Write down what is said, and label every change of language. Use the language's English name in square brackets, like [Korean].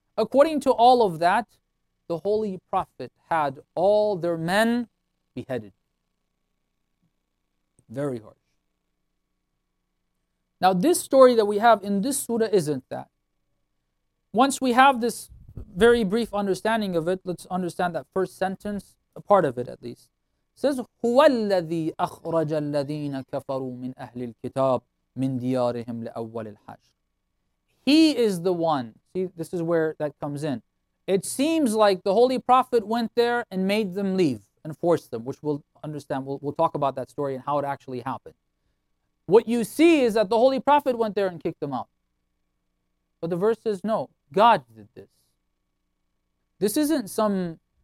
[English] According to all of that, the Holy Prophet had all their men beheaded. Very harsh. Now, this story that we have in this surah isn't that. Once we have this very brief understanding of it, let's understand that first sentence, a part of it at least. It says, [Arabic] هُوَ الَّذِي أَخْرَجَ الَّذِينَ كَفَرُوا مِنْ أَهْلِ الْكِتَابِ مِنْ دِيَارِهِمْ لِأَوَّلِ الْحَشْرِ. [English] He is the one. See, this is where that comes in. It seems like the Holy Prophet went there and made them leave and forced them, which we'll understand. We'll talk about that story and how it actually happened. What you see is that the Holy Prophet went there and kicked them out. But the verse says, no, God did this. This isn't some